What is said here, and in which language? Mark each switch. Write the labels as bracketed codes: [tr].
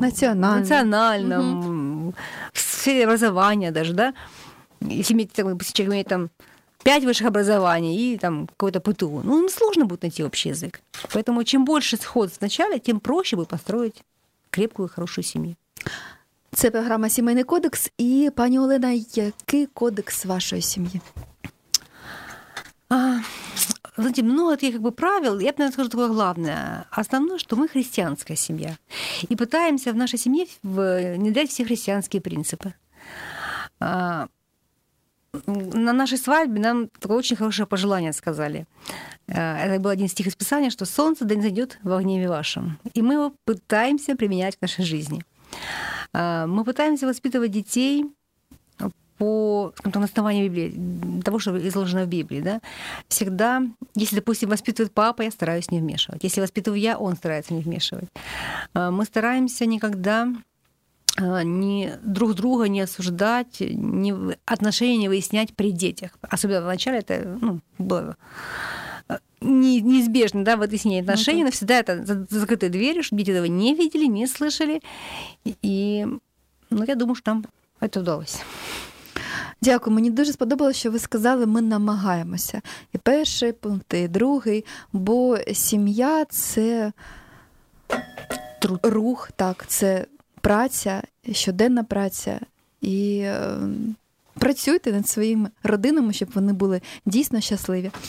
[ru] национальном, в сфере образования даже, да. Если человек имеет там 5 высших образований и там какое-то ПТУ, ну, им сложно будет найти общий язык. Поэтому чем больше сход вначале, тем проще будет построить крепкую и хорошую семью. [uk] Це програма «Сімейний кодекс». І, пані Олена, який кодекс вашої сім'ї? [ru] Знаете, много таких как бы правил. Я бы, наверное, скажу такое главное. Основное, что мы христианская семья. И пытаемся в нашей семье внедрять все христианские принципы. На нашей свадьбе нам такое очень хорошее пожелание сказали. Это был один стих из Писания, что солнце да не зайдет во гневе вашем. И мы его пытаемся применять в нашей жизни. Мы пытаемся воспитывать детей по какому-то основанию Библии, того, что изложено в Библии, да, всегда, если, допустим, воспитывает папа, я стараюсь не вмешивать. Если воспитываю я, он старается не вмешивать. Мы стараемся никогда ни друг друга не осуждать, ни отношения не выяснять при детях. Особенно вначале это, ну, было неизбежно, да, выяснение отношений, но всегда это за закрытой дверью, чтобы дети этого не видели, не слышали. И, ну, я думаю, что нам это удалось. [uk] Дякую. Мені дуже сподобалося, що ви сказали, ми намагаємося. І перший пункт, і другий. Бо сім'я – це [ru] труд. [uk] Рух, так, це праця, щоденна праця. І працюйте над своїми родинами, щоб вони були дійсно щасливі.